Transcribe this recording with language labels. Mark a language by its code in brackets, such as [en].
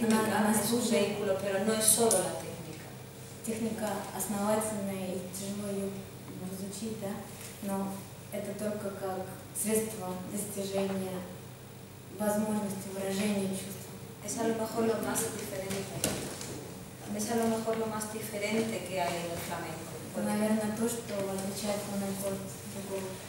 [es] La técnica es un vehículo, pero no es solo la técnica. [ru] Técnica основательная и тяжело ее изучить, да? Но это только как средство достижения возможности выражения чувств. [es] Es a lo mejor lo más diferente. Es a lo mejor lo más diferente que hay en el flamenco. Pues, [ru] наверное, то, что отличает flamenco от другого.